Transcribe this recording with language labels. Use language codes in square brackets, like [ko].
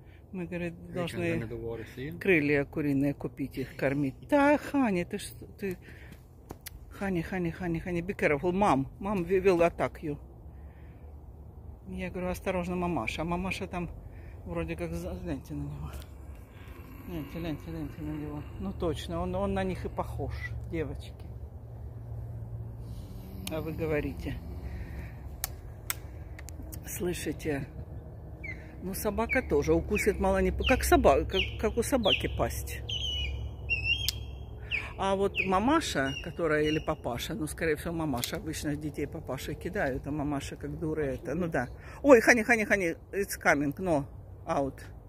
[ru] Мы, говорит, должны крылья куриные купить, их кормить. Да, Хани, ты что? Ты... [en] Хани, be careful. Мам, we will attack you. [ru] Я говорю, осторожно, мамаша. А мамаша там вроде как... Гляньте на него. Гляньте на него. Ну, точно, он на них и похож, девочки. А вы говорите. Слышите... Ну, собака тоже укусит, мало не... Как собака, как у собаки пасть. А вот мамаша, которая или папаша, ну, скорее всего, мамаша, обычно детей папаши кидают, а мамаша как дура это, ну да. [en] Ой, хани, it's coming, no, out.